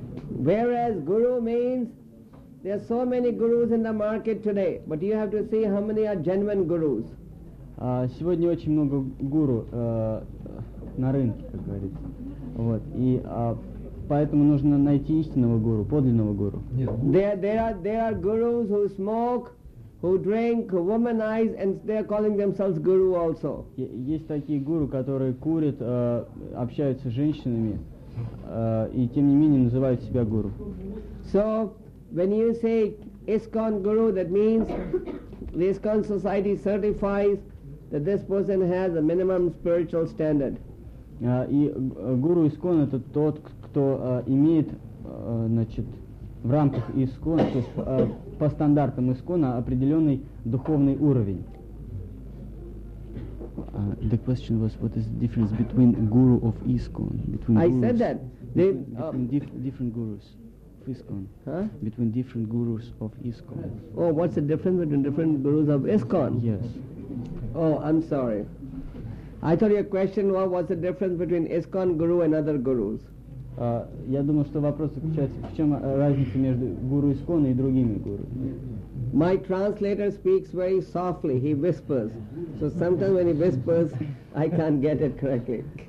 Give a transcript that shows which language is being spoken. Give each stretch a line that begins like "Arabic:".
English: Whereas Guru means, there are so many gurus in the market today, but you have to see how many are genuine gurus.
Russian: Сегодня очень много гуру на рынке, как говорится. Вот. Поэтому нужно найти истинного гуру, подлинного гуру.
English: There are gurus who smoke, who drink, who womanize, and they are calling themselves guru also.
Russian: Есть такие гуру, которые курят, общаются с женщинами, и тем не менее называют себя гуру.
English: So when you say ISKCON guru, that means the ISKCON society certifies that this person has a minimum spiritual standard.
Russian: И гуру ИСКОН — это тот, кто имеет, значит, в рамках ИСКОН, то есть по стандартам ИСКОН, определенный духовный уровень.
English: The question was, what is the difference between guru of ISKCON, between I gurus, said that. Between different gurus of ISKCON. Huh? Between different gurus of ISKCON. Oh, what's the difference between different gurus of ISKCON? Yes. Oh, I'm sorry. I thought your question was, what's the difference between ISKCON guru and other gurus?
Russian: Я думаю, что вопрос заключается, в чем разница между гуру ИСКОН и другими гуру.
English: My translator speaks very softly, he whispers. So sometimes when he whispers, I can't get it correctly.